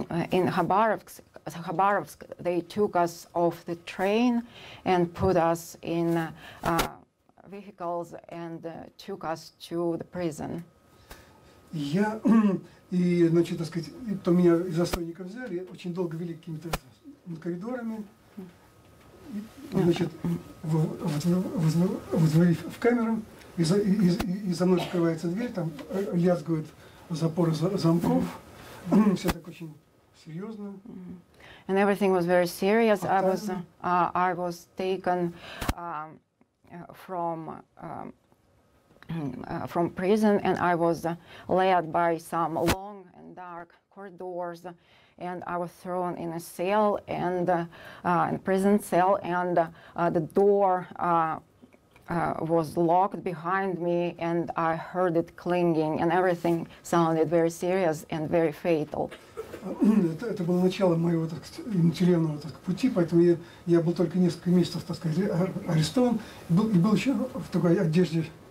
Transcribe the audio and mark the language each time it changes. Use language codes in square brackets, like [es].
[en] In Khabarovsk, they took us off the train and put us in vehicles and took us to the prison. [ru] Я и, значит, так сказать, то меня из застойника взяли, очень долго вели какими-то коридорами, и, значит, вызвали в камеру, и за мной открывается дверь, там лязгают запоры замков, все так очень серьезно. [en] And everything was very serious. I was taken from prison, and I was led by some long and dark corridors, and I was thrown in a cell, and in a prison cell, and the door was locked behind me, and I heard it clinging, and everything sounded very serious and very fatal. [ru] Это было начало моего тюремного пути, поэтому я был только несколько месяцев, так сказать, арестован, был еще в такой одежде.